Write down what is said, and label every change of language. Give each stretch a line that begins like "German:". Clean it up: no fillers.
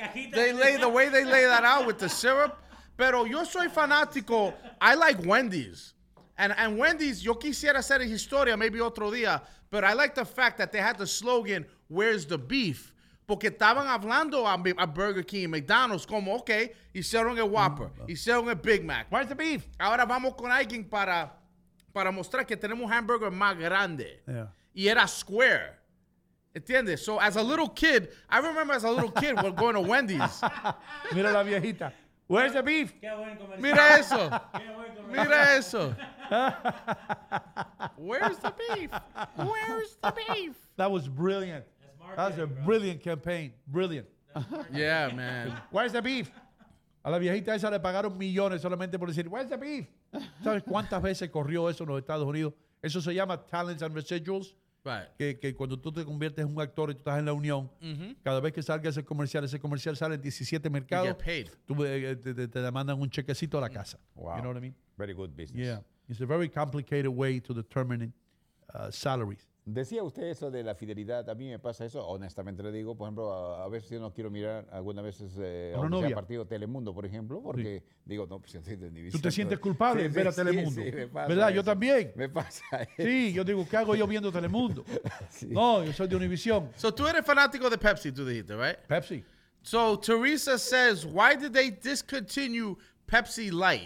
English: the way they lay that out with the syrup.
Spanish: Pero yo soy fanático.
English: I like Wendy's. And Wendy's,
Spanish: yo quisiera hacer la historia,
English: maybe
Spanish: otro día.
English: But I like the fact that they had the slogan, where's the beef?
Spanish: Porque estaban hablando a Burger King, McDonald's, como, ok, hicieron el Whopper, hicieron el Big Mac.
English: Where's the beef?
Spanish: Ahora vamos con alguien para mostrar que tenemos un hamburger más grande.
English: Yeah.
Spanish: Y era
English: square.
Spanish: ¿Entiendes?
English: So, as a little kid, I remember as a little kid, we're going to Wendy's.
Spanish: Mira la viejita.
English: Where's the beef?
Spanish: Qué buen comercial. Mira eso. Mira eso.
English: Where's the beef? Where's the beef? That was brilliant. That was a brilliant campaign. Brilliant. Yeah, man. Where's the beef?
Spanish: A la viejita esa le pagaron millones solamente por decir,
English: where's the beef?
Spanish: ¿Sabes cuántas veces corrió eso en los Estados Unidos? Eso se llama
English: talents and residuals. Right.
Spanish: Que cuando tú te conviertes en un actor y tú estás en la unión, mm-hmm. cada vez que salga ese comercial sale en 17 mercados.
English: You get paid.
Spanish: Tú te mandan un chequecito a la casa.
English: Wow. You know what I mean? Very good business. Yeah. It's a very complicated way to determine salaries.
Spanish: Decía usted eso de la fidelidad. A mí me pasa eso, honestamente le digo. Por ejemplo, a veces yo no quiero mirar algunas veces el partido Telemundo, por ejemplo, porque sí. digo, no, pues estoy de Univision. ¿Tú te sientes culpable en ver a Telemundo? Sí, sí, me pasa ¿verdad? Eso. Yo también. Me pasa eso. Sí, yo digo, ¿qué hago yo viendo Telemundo? Sí. No, yo soy de Univision. So tú eres fanático de Pepsi, tú dijiste, right? Pepsi.
English: So Teresa says, why did they discontinue Pepsi Light?